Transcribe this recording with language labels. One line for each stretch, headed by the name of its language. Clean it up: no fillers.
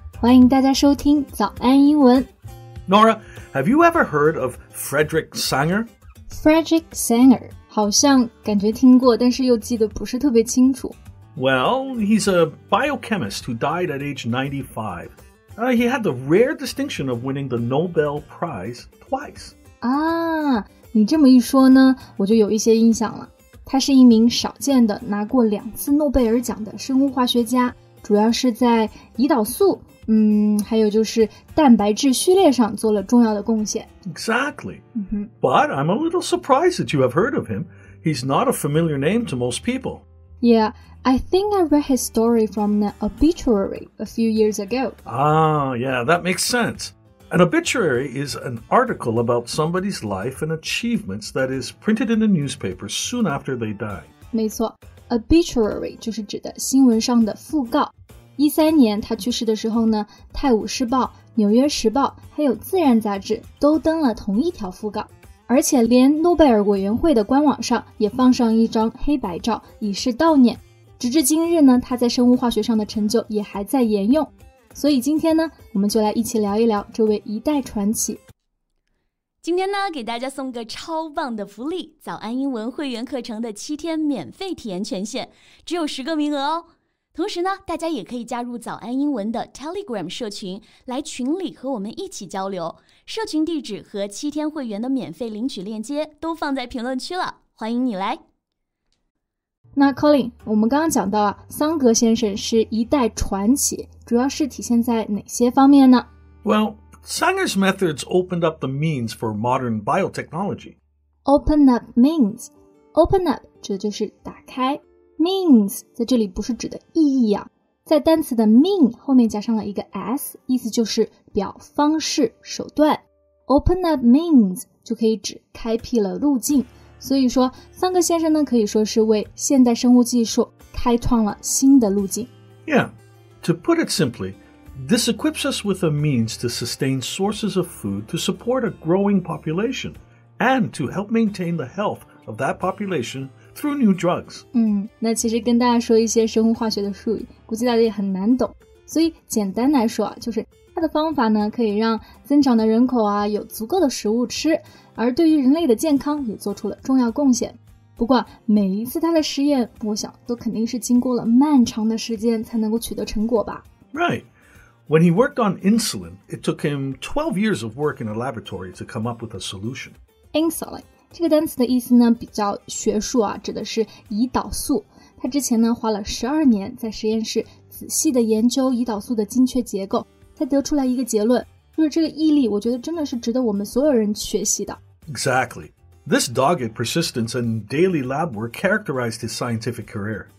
Chinese: 欢迎大家收听早安英文。
English: Nora, have you ever heard of Frederick Sanger?
Chinese: Frederick Sanger, 好像感觉听过，但是又记得不是特别清楚。
English: Well, he's a biochemist who died at age 95. He had the rare distinction of winning the Nobel Prize twice.
Chinese: 啊，你这么一说呢，我就有一些印象了。他是一名少见的拿过两次诺贝尔奖的生物化学家，主要是在胰岛素，还有就是蛋白质序列上做了重要的贡献。
English: Exactly. But I'm a little surprised that you have heard of him. He's not a familiar name to most people. Yeah. I think I read his story from an obituary a few years ago. Ah, yeah, that makes sense. An obituary is an article about somebody's life and achievements that is printed in a newspaper soon after they die.
Chinese: 没错 ,obituary 就是指的新闻上的附告。 13年他去世的时候呢，泰晤士报、纽约时报还有自然杂志都登了同一条附告。而且连诺贝尔委员会的官网上也放上一张黑白照以示悼念。直至今日呢，他在生物化学上的成就也还在沿用。所以今天呢，我们就来一起聊一聊这位一代传奇。今天呢，给大家送个超棒的福利，早安英文会员课程的7天免费体验权限，只有10个名额哦。同时呢，大家也可以加入早安英文的 Telegram 社群，来群里和我们一起交流。社群地址和7天会员的免费领取链接都放在评论区了，欢迎你来。那 Colin, 我们刚刚讲到啊，桑格先生是一代传奇，主要是体现在哪些方面呢？
English: Well, Sanger's methods opened up the means for modern biotechnology. Open up means.
Chinese: Open up 指的就是打开。 Means 在这里不是指的意义啊。在单词的 mean 后面加上了一个 s, 意思就是表方式、手段。
English: Open up means
Chinese: 就可以指开辟了路径。所以说桑格先生呢可以说是为现代生物技术开创了新的路径。
English: Yeah, to put it simply, this equips us with a means to sustain sources of food to support a growing population and to help maintain the health of that population through new drugs.
Chinese: 那其实跟大家说一些生物化学的术语估计大家也很难懂。所以简单来说就是它的方法呢可以让增长的人口啊有足够的食物吃，而对于人类的健康也做出了重要贡献。不过每一次它的实验我想都肯定是经过了漫长的时间才能够取得成果吧。
English: Right. When he worked on insulin, it took him 12 years of work in a laboratory to come up with a solution.
Chinese: Insulin, 这个单词的意思呢比较学术啊，指的是胰岛素。他之前呢花了12年在实验室仔细的研究胰岛素的精确结构。他得出来一个结论，就是这个毅力我觉得真的是值得我们所有人学习的。
English: Exactly. This dogged persistence and daily lab work characterized his scientific career.